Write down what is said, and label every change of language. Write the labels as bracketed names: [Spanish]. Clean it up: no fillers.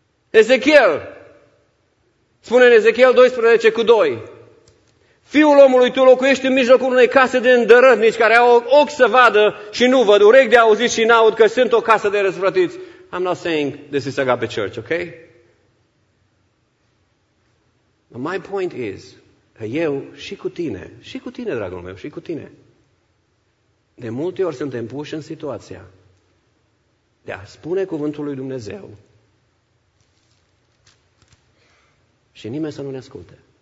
[Romanian] Ezechiel, spune în Ezechiel 12:2. Fiul omului, tu locuiești în mijlocul unei case de îndărătnici care au ochi să vadă și nu văd, urechi de auzit și n-aud că sunt o casă de răsfrătiți. [English] I'm not saying this is Agape Church, ok? But my point is [Romanian] că eu și cu tine, dragul meu, și cu tine, de multe ori suntem puși în situația de a spune cuvântul lui Dumnezeu și nimeni să nu ne asculte.